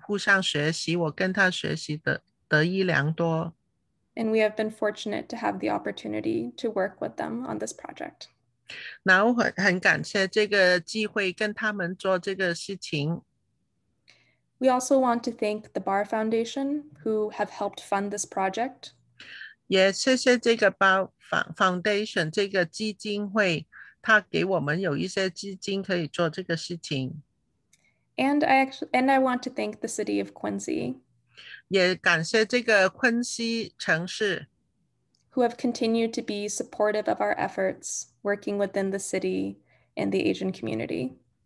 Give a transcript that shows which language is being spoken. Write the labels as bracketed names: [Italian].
[Chinese] 我也跟Daphne她做的事情，工作是怎么样，我们都是互相学习，我跟她学习的得益良多. [English] And we have been fortunate to have the opportunity to work with them on this project. [Chinese] 然后很感谢这个机会跟他们做这个事情. [English] We also want to thank the Bar Foundation who have helped fund this project. [Chinese] 也谢谢这个Bar Foundation这个基金会. 他给我们有一些资金可以做这个事情. [English] And I want to thank the city of Quincy. [Chinese] 也感谢这个昆西城市. [English] Who have continued to be supportive of our efforts working within the city and the Asian community.